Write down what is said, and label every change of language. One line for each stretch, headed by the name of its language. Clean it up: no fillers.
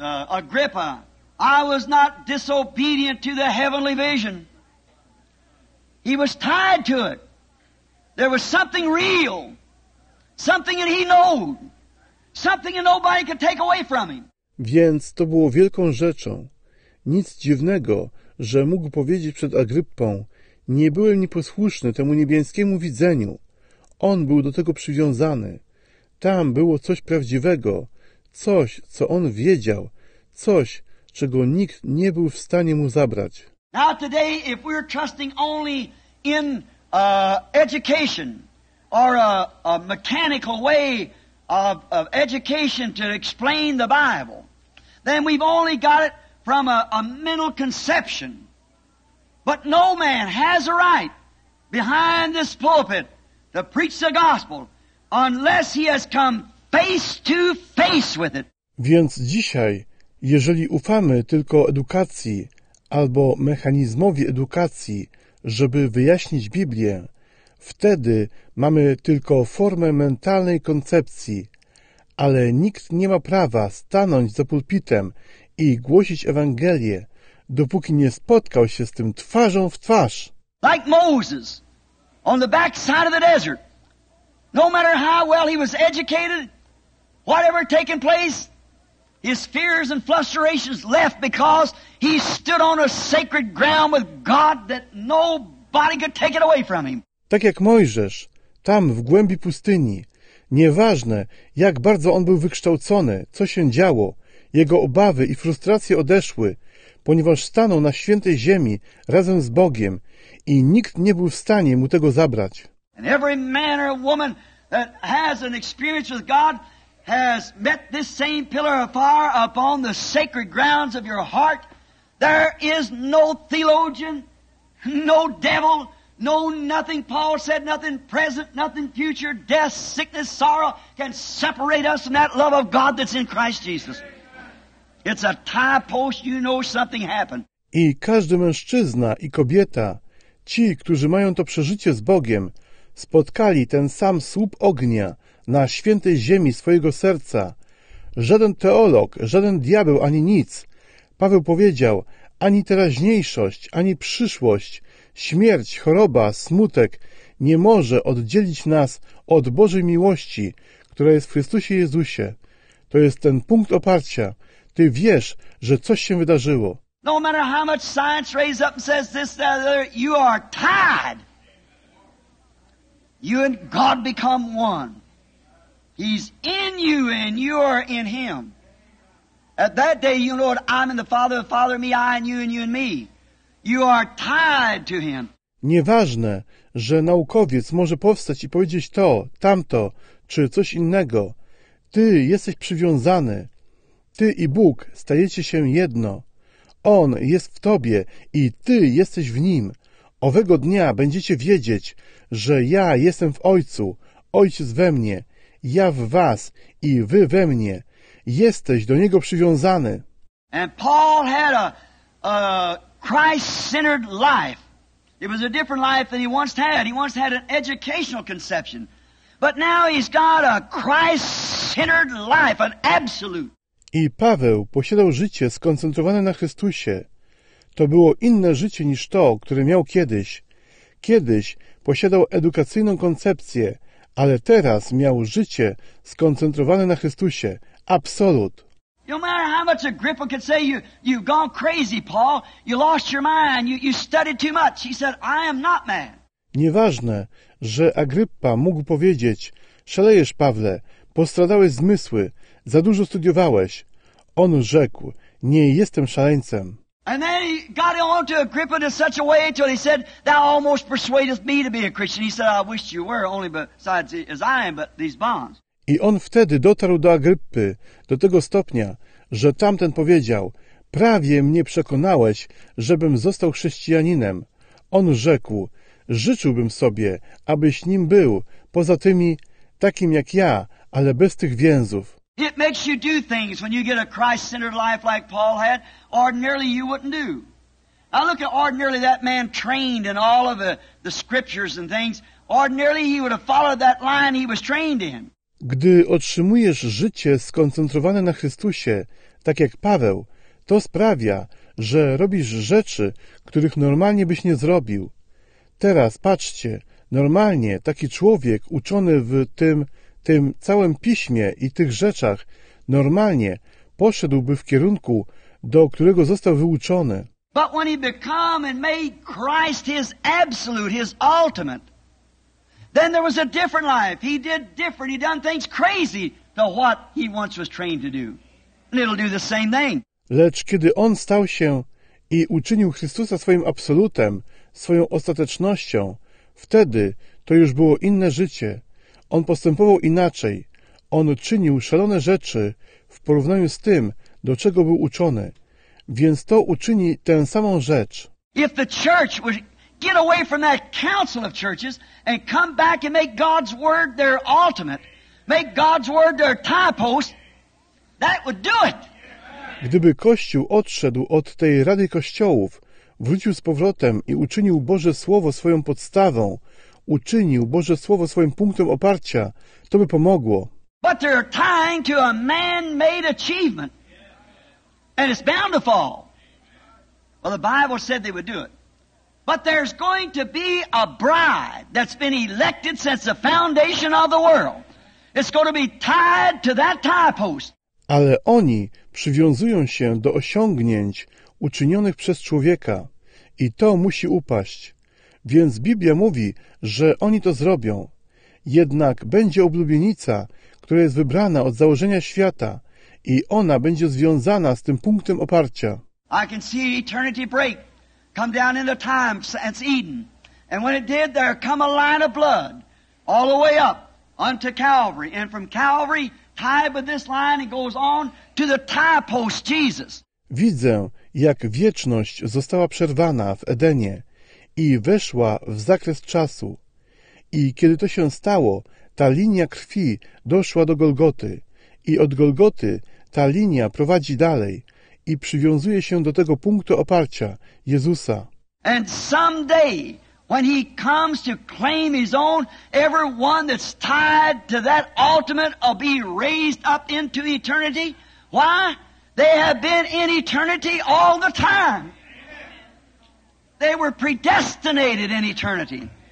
English: Agrippa, I was not disobedient to the heavenly vision. He was tied to it. There was something real, something that he knew, something that nobody could take away from him.
Polish: Więc to było wielką rzeczą. Nic dziwnego, że mógł powiedzieć przed Agryppą: nie byłem nieposłuszny temu niebieskiemu widzeniu. On był do tego przywiązany. Tam było coś prawdziwego, coś, co on wiedział, coś, czego nikt nie był w stanie mu zabrać.
English: Now today, if we're trusting only in education or a mechanical way of education to explain the Bible, then we've only got it from a mental conception. But no man has a right behind this pulpit to preach the gospel unless he has come face to face with it.
Polish: Więc dzisiaj, jeżeli ufamy tylko edukacji albo mechanizmowi edukacji, żeby wyjaśnić Biblię, wtedy mamy tylko formę mentalnej koncepcji, ale nikt nie ma prawa stanąć za pulpitem i głosić Ewangelię, dopóki nie spotkał się z tym twarzą w twarz.
English: Like Moses, on the back side of the desert, no matter how well he was educated, whatever taken place, his fears and frustrations left because he stood on a sacred ground with God that nobody could take it away from him.
Polish: Tak jak Mojżesz, tam w głębi pustyni, nieważne jak bardzo on był wykształcony, co się działo, jego obawy i frustracje odeszły, ponieważ stanął na świętej ziemi razem z Bogiem i nikt nie był w stanie mu tego zabrać.
English: And every man or woman that has an experience with God has met this same pillar of fire upon the sacred grounds of your heart, there is no theologian, no devil, no nothing, Paul said, nothing present, nothing future, death, sickness, sorrow can separate us from that love of God that's in Christ Jesus. It's a tie post, you know something happened.
Polish: I każdy mężczyzna i kobieta, ci, którzy mają to przeżycie z Bogiem, spotkali ten sam słup ognia na świętej ziemi swojego serca. Żaden teolog, żaden diabeł, ani nic. Paweł powiedział: ani teraźniejszość, ani przyszłość, śmierć, choroba, smutek nie może oddzielić nas od Bożej miłości, która jest w Chrystusie Jezusie. To jest ten punkt oparcia. Ty wiesz, że coś się wydarzyło.
English: No matter how much science raises up and says this, that, other, you are tied. You and God become one. He's in you and you are in him. At that day, you know, I'm in the Father me, I and you and me. You are tied to him.
Polish: Nieważne, że naukowiec może powstać i powiedzieć to, tamto, czy coś innego. Ty jesteś przywiązany. Ty i Bóg stajecie się jedno. On jest w tobie i ty jesteś w nim. Owego dnia będziecie wiedzieć, że ja jestem w Ojcu, Ojciec we mnie. Ja w was i wy we mnie. Jesteś do Niego przywiązany.
English: And Paul had a Christ-centered life. It was a different life than he once had. He once had an educational conception. But now he's got a Christ-centered life, an absolute.
Polish: I Paweł posiadał życie skoncentrowane na Chrystusie. To było inne życie niż to, które miał kiedyś. Kiedyś posiadał edukacyjną koncepcję, ale teraz miał życie skoncentrowane na Chrystusie. Absolut.
English: No matter how much Agrippa could say, you've gone crazy, Paul. You lost your mind. You studied too much. He said, I am not man.
Polish: Nieważne, że Agrippa mógł powiedzieć: szalejesz, Pawle, postradałeś zmysły, za dużo studiowałeś. On rzekł: nie jestem szaleńcem.
English: And then he got on to Agrippa in such a way till he said, thou almost persuadest me to be a Christian. He said, I wish you were, only besides as I am, but these bonds.
Polish: I on wtedy dotarł do Agryppy do tego stopnia, że tamten powiedział: prawie mnie przekonałeś, żebym został chrześcijaninem. On rzekł: życzyłbym sobie, abyś nim był, poza tymi, takim jak ja, ale bez tych więzów.
English: It makes you do things when you get a Christ-centered life like Paul had. Ordinarily you wouldn't do. Now look at ordinarily that man trained in all of the scriptures and things. Ordinarily he would have followed that line he was trained in.
Polish: Gdy otrzymujesz życie skoncentrowane na Chrystusie, tak jak Paweł, to sprawia, że robisz rzeczy, których normalnie byś nie zrobił. Teraz patrzcie, normalnie taki człowiek uczony w tym całym piśmie i tych rzeczach, normalnie poszedłby w kierunku, do którego został wyuczony.
English: But when he became and made Christ his absolute, his ultimate, then there was a different life. He did different. He done things crazy to what he once was trained to do. And it'll do the same thing.
Polish: Lecz kiedy on stał się i uczynił Chrystusa swoim absolutem, swoją ostatecznością, wtedy to już było inne życie. On postępował inaczej. On czynił szalone rzeczy w porównaniu z tym, do czego był uczony. Więc to uczyni tę samą rzecz.
English: If the church would get away from that council of churches and come back and make God's word their ultimate, make God's word their typepost, that would do it.
Polish: Gdyby Kościół odszedł od tej Rady Kościołów, wrócił z powrotem i uczynił Boże Słowo swoją podstawą, uczynił Boże Słowo swoim punktem oparcia, to by pomogło.
English: But they're tying to a man-made achievement. And it's bound to fall. Well, the Bible said they would do it. But there's going to be a bride that's been elected since the foundation of the world. It's going to be tied to that typepost.
Polish: Ale oni przywiązują się do osiągnięć uczynionych przez człowieka. I to musi upaść. Więc Biblia mówi, że oni to zrobią. Jednak będzie oblubienica, która jest wybrana od założenia świata. I ona będzie związana z tym punktem oparcia.
English: I can see eternity break, come down into time, it's Eden. And when it did, there come a line of blood all the way up unto Calvary. And from Calvary, tied with this line, it goes on to the typepost Jesus.
Polish: Widzę, jak wieczność została przerwana w Edenie i weszła w zakres czasu. I kiedy to się stało, ta linia krwi doszła do Golgoty. I od Golgoty ta linia prowadzi dalej i przywiązuje się do tego punktu oparcia Jezusa.
English: And someday, when he comes to claim his own, everyone that's tied to that ultimate will be raised up into eternity. Why? They have been in eternity all the time. They were predestinated in eternity.